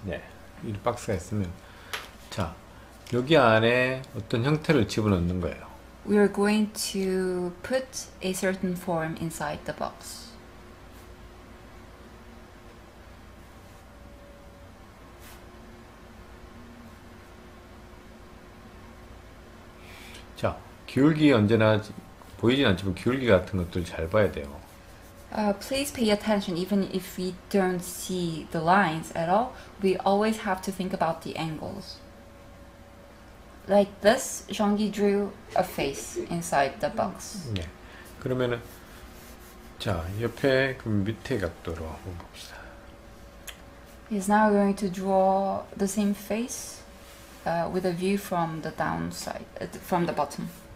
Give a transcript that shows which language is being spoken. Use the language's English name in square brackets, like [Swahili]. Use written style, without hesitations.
[Korean] 네, 이 박스가 있으면 자, 여기 안에 어떤 형태를 집어넣는 거예요. [English] We are going to put a certain form inside the box. [Korean] 자, 기울기 언제나 보이진 않지만 기울기 같은 것들 잘 봐야 돼요. [English] Please pay attention, even if we don't see the lines at all, we always have to think about the angles. Like this, Zhang Yi drew a face inside the box. [Korean] 그러면은 자, 옆에 그 밑에 각도로 한번 봅시다. [English] He's now going to draw the same face with a view from the downside, from the bottom.